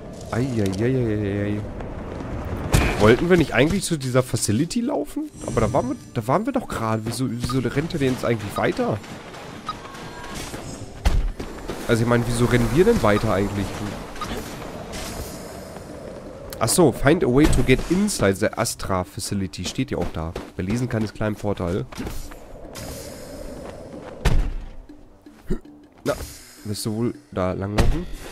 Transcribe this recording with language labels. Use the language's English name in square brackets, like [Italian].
[German] Eieieiei. Wollten wir nicht eigentlich zu dieser Facility laufen? Aber da waren wir doch gerade. Wieso rennt er denn jetzt eigentlich weiter? Also ich meine, wieso rennen wir denn weiter eigentlich? Achso, [English] find a way to get inside the Astra Facility. [German] Steht ja auch da. Wer lesen kann, ist klein Vorteil. Na, wirst du wohl da langlaufen?